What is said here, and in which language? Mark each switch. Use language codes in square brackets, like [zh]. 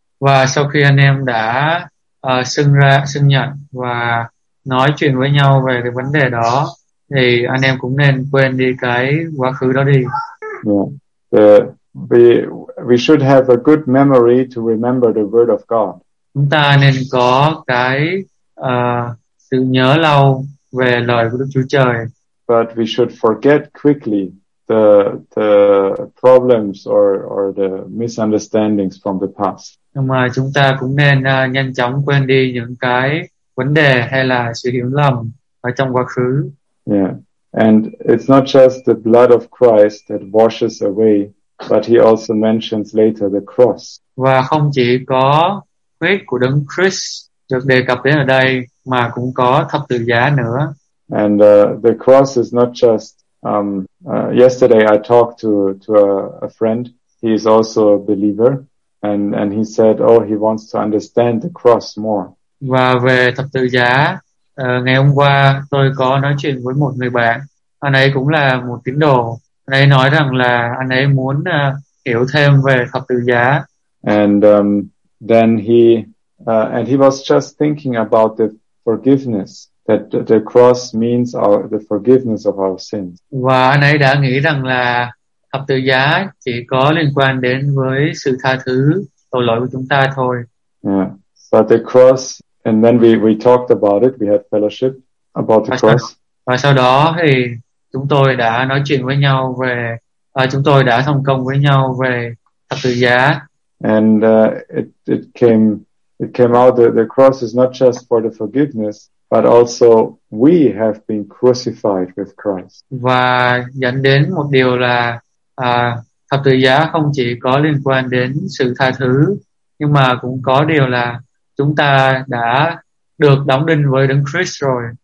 [vi] Và sau khi anh em đã xưng ra, xưng nhận và nói chuyện với nhau về cái vấn đề đó, thì anh em cũng nên quên đi cái quá khứ đó đi. [en] Yeah. We should have a good memory to remember the word of God. [vi] Chúng ta nên có cái sự nhớ lâu về lời của Đức Chúa Trời. [en] But we should forget quickly the problems or the misunderstandings from the past. [vi] Nhưng mà chúng ta cũng nên nhanh chóng quên đi những cái vấn đề hay là sự hiểu lầm ở trong quá khứ. [en] Yeah. And it's not just the blood of Christ that washes away, but he also mentions later the cross. [vi] Và không chỉ có huyết của Đấng Christ được đề cập đến ở đây mà cũng có thập tự giá nữa. [en] And the cross is not just yesterday I talked to a friend. He is also a believer. And he said, oh, he wants to understand the cross more. [vi] Và về thập tự giá, ngày hôm qua tôi có nói chuyện với một người bạn. Anh ấy cũng là một tín đồ. Anh ấy nói rằng là anh ấy muốn hiểu thêm về thập tự giá. [en] And then he was just thinking about the forgiveness, that the cross means the forgiveness of our sins. [vi] Và anh ấy đã nghĩ rằng là thập tự giá chỉ có liên quan đến với sự tha thứ tội lỗi của chúng ta thôi. [en] Yeah. But the cross, and then we talked about it, we had fellowship about the cross. [vi] Và sau đó thì chúng tôi đã nói chuyện với nhau về chúng tôi đã thông công với nhau về thập tự giá. [en] And it came out that the cross is not just for the forgiveness, but also we have been crucified with Christ. [vi] Và dẫn đến một điều là thập tự giá không chỉ có liên quan đến sự tha thứ, nhưng mà cũng có điều là chúng ta đã được đóng đinh với Đấng Christ rồi.